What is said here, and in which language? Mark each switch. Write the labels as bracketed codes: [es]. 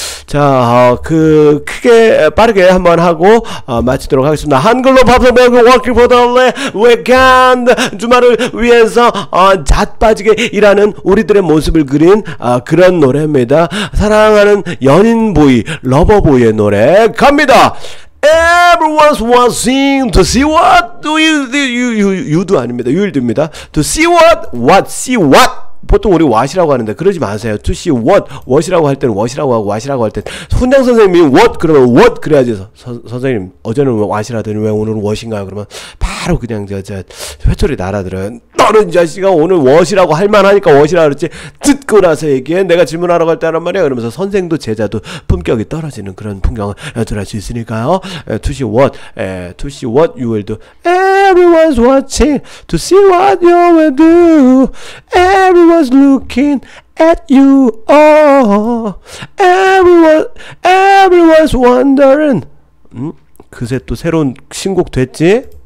[ko] 자, 크게 빠르게 한번 하고 마치도록 하겠습니다. 한글로 밥을 먹고 [en] working for the late weekend [ko] 주말을 위해서 잣빠지게 일하는 우리들의 모습을 그린 그런 노래입니다. 사랑하는 연인 보이, 러버 보이의 노래 갑니다. [en] Everyone's watching to see what do you do [ko] 아닙니다. 유일드입니다. [en] To see what [ko] 보통 우리 what이라고 하는데 그러지 마세요. To see what, what이라고 할 때는 what이라고 하고 what이라고 할 때 훈장 선생님이 what 그러면 what 그래야지. 선생님 어제는 what이라더니 왜 오늘은 what인가요? 그러면 바로 그냥 회초리 날아들어요. 너는 이 자식아 오늘 what이라고 할 만하니까 what이라고 그랬지. 듣고 나서 얘기해. 내가 질문하러 갈 때란 말이야. 그러면서 선생도 제자도 품격이 떨어지는 그런 풍경을 연출할 수 있으니까요. [en] To see what, to see what you will do. Everyone's watching to see what you will do. Everyone's looking at you all. Everyone's wondering. [ko] 그새 또 새로운 신곡 됐지?